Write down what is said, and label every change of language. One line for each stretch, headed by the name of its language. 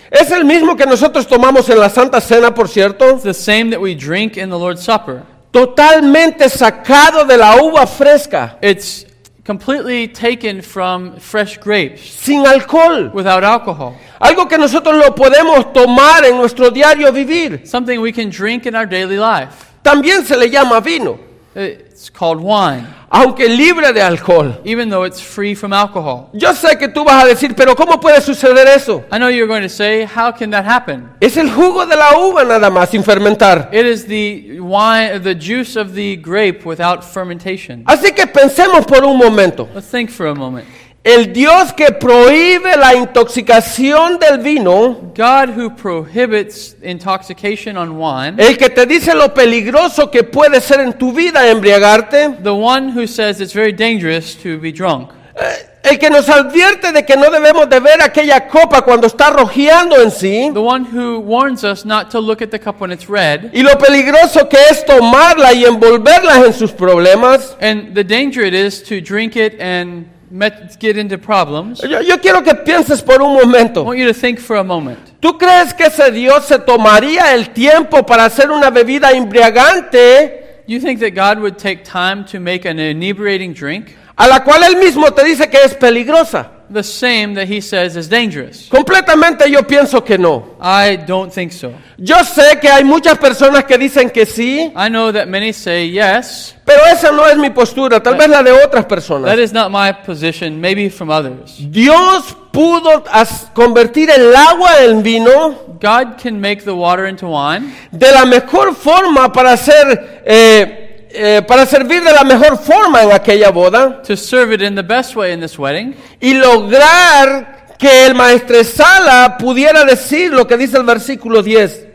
Spanish: Es el mismo que nosotros tomamos en la Santa Cena, por cierto.
English: It's the same that we drink in the Lord's Supper.
Spanish: Totalmente sacado de la uva fresca.
English: It's completely taken from fresh grapes.
Spanish: Sin alcohol.
English: Without alcohol.
Spanish: Algo que nosotros lo podemos tomar en nuestro diario vivir.
English: Something we can drink in our daily life.
Spanish: También se le llama vino.
English: It's called wine.
Spanish: Aunque libre de alcohol.
English: Even though it's free from alcohol.
Spanish: Yo sé que tú vas a decir, pero ¿cómo puede suceder eso?
English: I know you're going to say, how can that happen?
Spanish: Es el jugo de la uva nada más sin fermentar.
English: It is the wine, the juice of the grape without fermentation.
Spanish: Así que pensemos por un momento.
English: Let's think for a moment.
Spanish: El Dios que prohíbe la intoxicación del vino,
English: God who prohibits intoxication on wine,
Spanish: el que te dice lo peligroso que puede ser en tu vida embriagarte,
English: the one who says it's very dangerous to be drunk,
Spanish: el que nos advierte de que no debemos de ver aquella copa cuando está rojeando en sí,
English: the one who warns us not to look at the cup when it's red,
Spanish: y lo peligroso que es tomarla y envolverla en sus problemas,
English: and the danger it is to drink it and get into problems.
Spanish: Yo quiero que pienses por un momento.
English: I want you to think for a moment.
Spanish: ¿Tú crees que ese Dios se tomaría el tiempo para hacer una bebida embriagante?
English: You think that God would take time to make an inebriating drink?
Spanish: A la cual él mismo te dice que es peligrosa.
English: The same that he says is dangerous.
Spanish: Completamente yo pienso que no.
English: I don't think so.
Spanish: Yo sé que hay muchas personas que dicen que sí.
English: I know that many say yes.
Spanish: Pero esa no es mi postura, tal vez la de otras personas.
English: That is not my position, maybe from others.
Spanish: Dios pudo convertir el agua en vino.
English: God can make the water into wine.
Spanish: De la mejor forma para hacer para servir de la mejor forma en aquella boda.
English: To serve it in the best way in this wedding.
Spanish: Y lograr que el maestresala pudiera decir lo que dice el versículo 10.